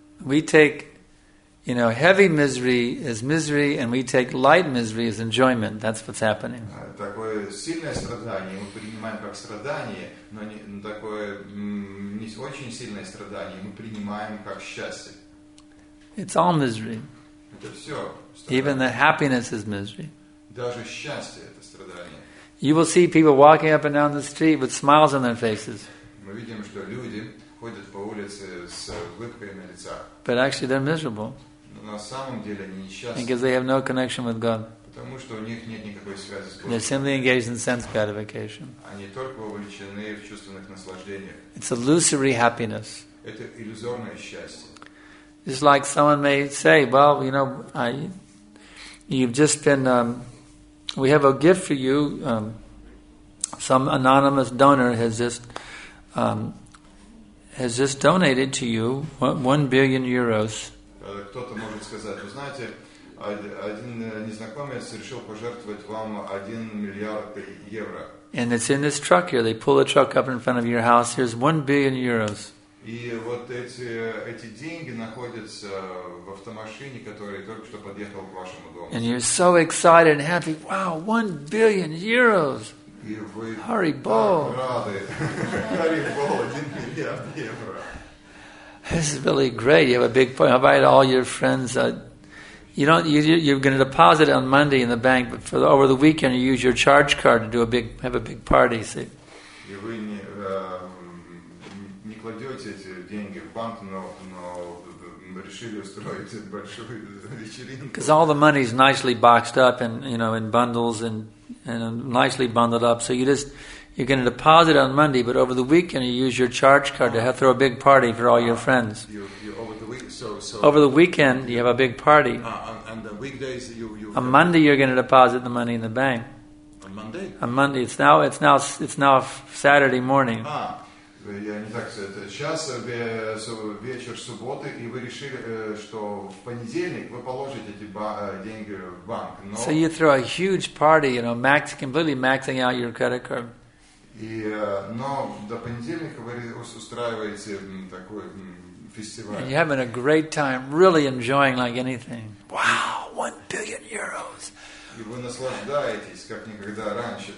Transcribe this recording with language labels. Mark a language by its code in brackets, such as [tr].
[en] We take, you know, heavy misery as misery, and we take light misery as enjoyment. That's what's happening. [ru] Такое сильное страдание мы принимаем как страдание, но такое не очень сильное страдание мы принимаем как счастье. [en] It's all misery. [ru] Это все страдание. [en] Even the happiness is misery. [ru] Даже счастье это страдание. [en] You will see people walking up and down the street with smiles on their faces. [ru] Мы видим, что люди ходят по улице с улыбкой на лицах. [en] But actually they're miserable. [ru] Но на самом деле они несчастны. [en] Because they have no connection with God. [ru] Потому что у них нет никакой связи с Богом. [en] They're simply engaged in sense gratification. [ru] Они только вовлечены в чувственных наслаждениях. [en] It's illusory happiness. [ru] Это иллюзорное счастье. [en] It's like someone may say, well, you know, you've just been, we have a gift for you. Some anonymous donor has just donated to you 1 billion euros. [ru] Кто-то может сказать, вы знаете, один незнакомец решил пожертвовать вам 1 миллиард евро. [en] And it's in this truck here. They pull a truck up in front of your house. Here's 1 billion euros. [ru] И вот эти деньги находятся в автомашине, который только что подъехал к вашему дому. [en] And you're so excited and happy. Wow, 1 billion euros. [ru] И вы Hurry, так ball. Рады. Hurry, ball, 1 миллиард евро. [en] This is really great. You have a big point. I invite all your friends. You're going to deposit it on Monday in the bank, but for the, over the weekend you use your charge card to have a big party, see? [ru] И вы не кладете эти деньги в банк, но решили устроить большую вечеринку. [en] Because all the money is nicely boxed up and, you know, in bundles and nicely bundled up, so you're going to deposit on Monday, but over the weekend you use your charge card to throw a big party for all your friends. Over the weekend you have a big party. And the weekdays you on Monday you're going to deposit the money in the bank. On Monday it's now Saturday morning. [ru] Я не так это сейчас вечер субботы, и вы решили, что в понедельник вы положите эти деньги в банк. [en] So you throw a huge party, you know, completely maxing out your credit card. [ru] Но до понедельника вы устраиваете такой фестиваль. [en] You're having a great time, really enjoying like anything. Wow, 1 billion euros. [ru] И вы наслаждаетесь как никогда раньше.